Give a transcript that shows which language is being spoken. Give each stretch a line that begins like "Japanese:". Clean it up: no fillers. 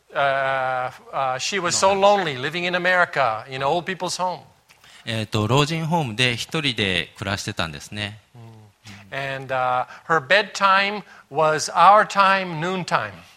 English: She was so lonely living in America in old people's home.
Japanese: 老人ホームで一人で暮らしてたんですね。
English: And her bedtime was our time, noon time.